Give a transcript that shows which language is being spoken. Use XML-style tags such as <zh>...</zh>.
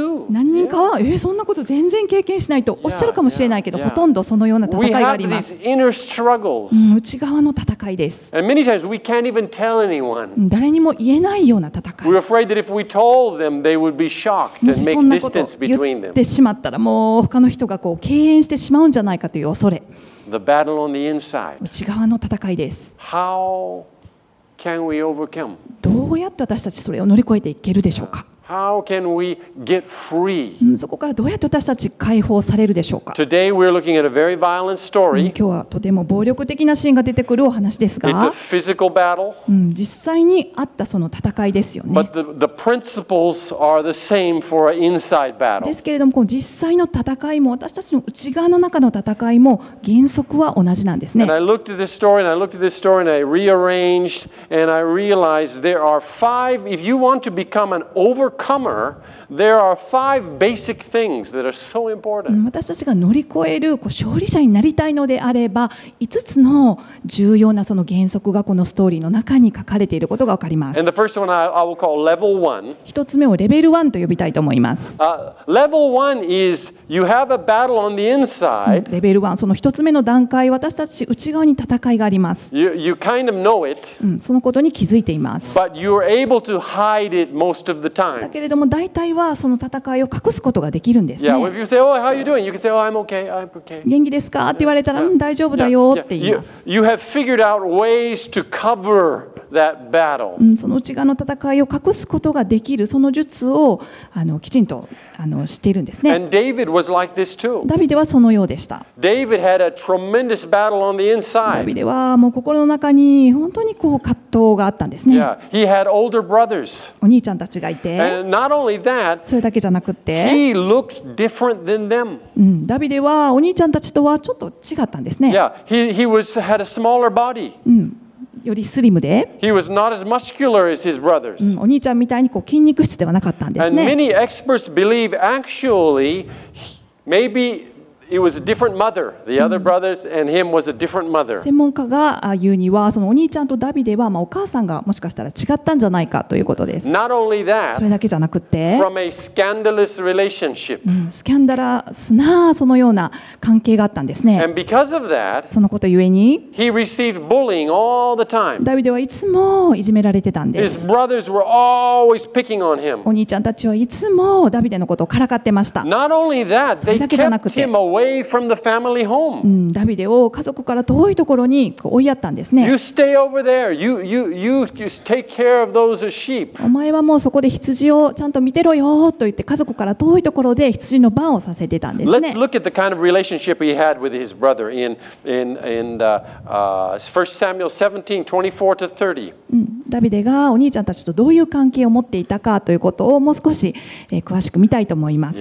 <ja>何人かは、そんなこと全然経験しないとおっしゃるかもしれないけど、ほとんどそのような戦いがあります。</ja> <en>We have these inner struggles.</en> <ja>内側の戦いです。</ja> <en>And many times we can't even tell anyone.</en> <ja>誰にも言えないような戦い。</ja> <en>We're afraid that if we told them, they would be shocked and make distance between them.</en> <ja>もしそんなこと言ってしまったら、もう他の人がこう敬遠してしまうんじゃないかという恐れ。</ja> <en>The battle on the inside.</en> <ja>内側の戦いです。</ja> <en>How? Can we overcome?</en> <ja>どうやって私たちそれを乗り越えていけるでしょうか。</ja> <en>How can we get free?</en> <ja>そこからどうやって私たち解放されるでしょうか。</ja> <en>Today we're looking at a very violent story.</en> <ja>今日はとても暴力的なシーンが出てくるお話ですが、</ja> <en>It's a physical battle.</en> <ja>実際にあったその戦いですよね。</ja> <en>But the principles are the same for an inside battle.</en> <ja>ですけれどもこの実際の戦いも私たちの内側の中の戦いも原則は同じなんですね。</ja> <en>And I looked at this story and I looked at this story and I rearranged and I realized there are five, if you want to become an overcomer overcomer, there are five basic things that are so important.</en> <ja>私たちが乗り越える勝利者になりたいのであれば、5つの重要なその原則がこのストーリーの中に書かれていることがわかります。</ja> <en>And the first one I will call level one.</en> <ja>一つ目をレベル1と呼びたいと思います。</ja> <en>Level one is you have a battle on the inside.</en> <ja>レベル1、その一つ目の段階、私たち内側に戦いがあります。</ja> <en>You kind of know it.</en> <ja>そのことに気づいています。</ja> <en>But you're able to hide it most of the time.</en> <ja>だけれども大体はその戦いを隠すことができるんですね。</ja> <en>Yeah, if you say, "Oh, how you doing?" You can say, "Oh, I'm okay. I'm okay."</en> <ja>元気ですか？って言われたら、うん、大丈夫だよって言います。</ja> <en>You have figured out ways to cover that battle.</en> <ja>その内側の戦いを隠すことができるその術をきちんと知っているんですね。</ja> <en>And David was like this too.</en> <ja>ダビデはそのようでした。</ja> <en>David had a tremendous battle on the inside.</en> <ja>ダビデはもう心の中に本当にこう葛藤があったんですね。</ja> <en>Yeah, he had older brothers.</en> <ja>お兄ちゃんたちがいて。</ja> <en>And not only that.</en> <ja>それだけじゃなくて、</ja> <en>He looked different than them.</en> <ja>ダビデはお兄ちゃんたちとはちょっと違ったんですね。</ja> <en>Yeah, he was had a smaller body.</en> <ja>よりスリムで、</ja> <en>He was not as muscular as his brothers.</en> <ja>お兄ちゃんみたいにこう筋肉質ではなかったんですね。</ja> <en>And many experts believe actually maybe it was a different mother. The other brothers and him was a different mother.</en> <ja>専門家が言うにはそのお兄ちゃんとダビデはまあお母さんがもしかしたら違ったんじゃないかということです。</ja> <en>Not only that,</en> <ja>それだけじゃなくて、</ja> <en>from a scandalous relationship.</en> <ja>スキャンダラスなそのような関係があったんですね。</ja> <en>And because of that,</en> <ja>そのことゆえに、</ja> <en>he received bullying all the time.</en> <ja>ダビデはいつもいじめられてたんです。</ja> <en>His brothers were always picking on him.</en> <ja>お兄ちゃんたちはいつもダビデのことをからかってました。</ja> <en>Not only that,</en> <ja>それだけじゃなくて、</ja> <en>they kept him away from the family home.</en> <ja>ダビデを家族から遠いところに追いやったんですね。</ja> <en>You stay over there. You take care of those sheep.</en> <ja>お前はもうそこで羊をちゃんと見てろよと言って家族から遠いところで羊の番をさせてたんですね。</ja> <en>Let's look at the kind of relationship he had with his brother in 1 Samuel 17:24-30.</en> <ja>ダビデがお兄ちゃんたちとどういう関係を持っていたかということをもう少し詳しく見たいと思います。</ja>